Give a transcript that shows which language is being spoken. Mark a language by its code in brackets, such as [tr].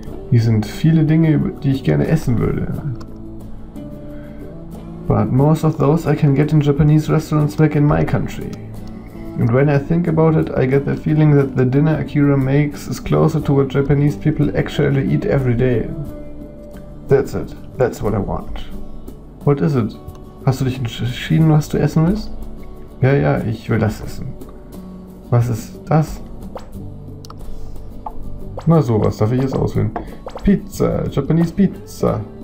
[de] Hier sind viele Dinge, die ich gerne essen würde. [en] But most of those I can get in Japanese restaurants back in my country. And when I think about it, I get the feeling that the dinner Akira makes is closer to what Japanese people actually eat every day. That's it. That's what I want. What is it? [de] Hast du dich entschieden, was du essen willst? Ja, ja, ich will das essen. Was ist das? Na sowas, darf ich es auswählen? Pizza, [en] Japanese Pizza.